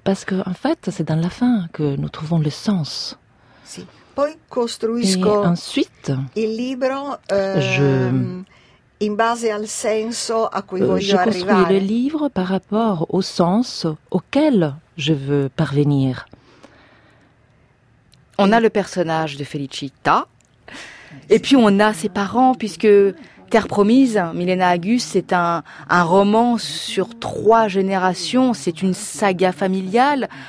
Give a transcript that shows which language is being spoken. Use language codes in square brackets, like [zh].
[fr] Parce que, en fait, c'est dans la fin que nous trouvons le sens. [it] Sì. Poi costruisco [fr] et ensuite, [it] il libro in base al senso a cui voglio arrivare. [fr] Je construis le livre par rapport au sens auquel je veux parvenir. On a le personnage de Felicita. Et puis on a ses parents, puisque Terre Promise, Milena Agus, c'est un roman sur trois générations, c'est une saga familiale.